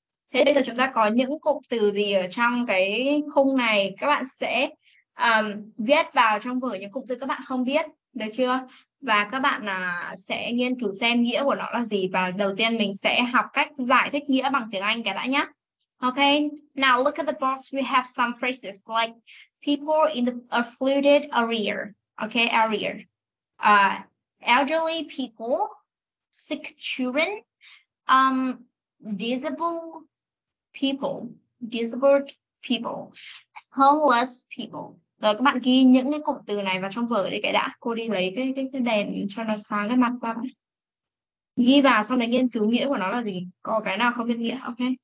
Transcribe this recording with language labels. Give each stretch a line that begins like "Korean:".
Vietnamese: Thế bây giờ chúng ta có những cụm từ gì ở trong cái khung này? Các bạn sẽ viết vào trong vở những cụm từ các bạn không biết, được chưa? Và các bạn sẽ nghiên cứu xem nghĩa của nó là gì. Và đầu tiên mình sẽ học cách giải thích nghĩa bằng tiếng Anh cái đã nhé.
English: Ok, now look at the box. We have some phrases like people in the affluent area. Ok, area. Elderly people, sick children, disabled people, homeless people.
Vietnamese: Rồi các bạn ghi những cái cụm từ này vào trong vở đi cái đã. Cô đi lấy cái đèn cho nó sáng cái mặt qua. Ghi vào xong rồi nghiên cứu nghĩa của nó là gì. Có cái nào không biết nghĩa, ok.